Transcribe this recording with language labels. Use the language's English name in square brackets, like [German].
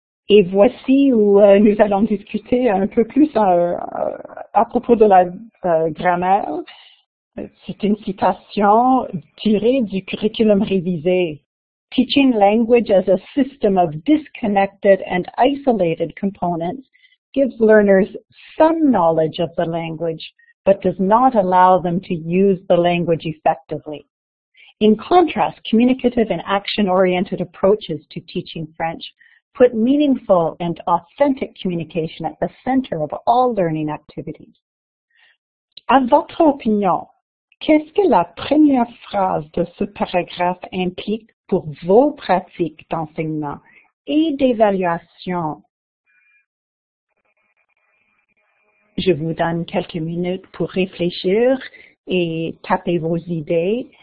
[French] Et voici où nous allons discuter un peu plus à propos de la grammaire. C'est une citation tirée du curriculum révisé. [English] Teaching language as a system of disconnected and isolated components gives learners some knowledge of the language, but does not allow them to use the language effectively. In contrast, communicative and action-oriented approaches to teaching French put meaningful and authentic communication at the center of all learning activities. [French] À votre opinion, qu'est-ce que la première phrase de ce paragraphe implique pour vos pratiques d'enseignement et d'évaluation? Je vous donne quelques minutes pour réfléchir et taper vos idées.